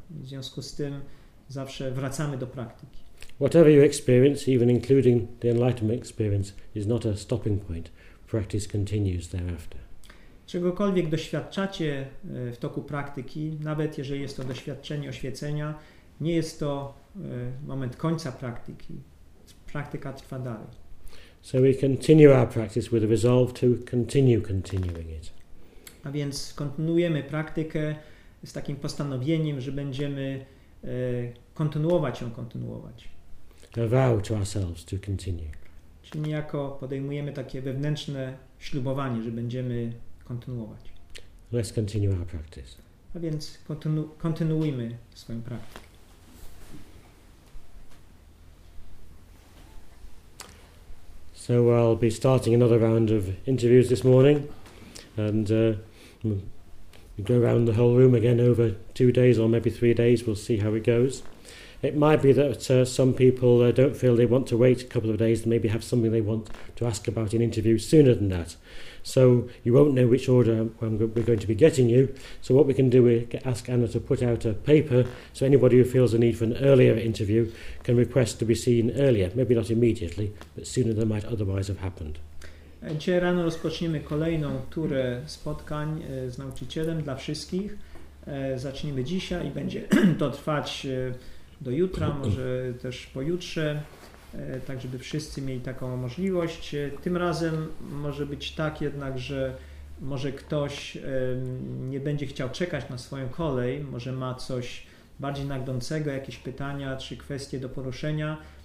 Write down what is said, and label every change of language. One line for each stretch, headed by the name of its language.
Polish: W związku z tym zawsze wracamy do praktyki.
English: Whatever you experience, even including the enlightenment experience, is not a stopping point. Practice continues thereafter.
Polish: Czegokolwiek doświadczacie w toku praktyki, nawet jeżeli jest to doświadczenie oświecenia, nie jest to moment końca praktyki. Praktyka trwa dalej.
English: So we continue our practice with a resolve to continue continuing it.
Polish: A więc kontynuujemy praktykę z takim postanowieniem, że będziemy kontynuować.
English: A vow to ourselves to continue.
Polish: Czyli niejako podejmujemy takie wewnętrzne ślubowanie, że będziemy kontynuować.
English: Let's continue our practice.
Polish: A więc kontynuujmy swoją praktykę.
English: So I'll be starting another round of interviews this morning, and go around the whole room again over 2 days or maybe 3 days. We'll see how it goes. It might be that some people don't feel they want to wait a couple of days and maybe have something they want to ask about in interview sooner than that. So you won't know which order we're going to be getting you. So what we can do is ask Anna to put out a paper so anybody who feels a need for an earlier interview can request to be seen earlier. Maybe not immediately, but sooner than might otherwise have happened.
Polish: Dzisiaj rano rozpoczniemy kolejną turę spotkań z nauczycielem dla wszystkich. Zaczniemy dzisiaj i będzie to trwać do jutra, może też pojutrze, tak żeby wszyscy mieli taką możliwość. Tym razem może być tak jednak, że może ktoś nie będzie chciał czekać na swoją kolej, może ma coś bardziej nagnącego, jakieś pytania czy kwestie do poruszenia.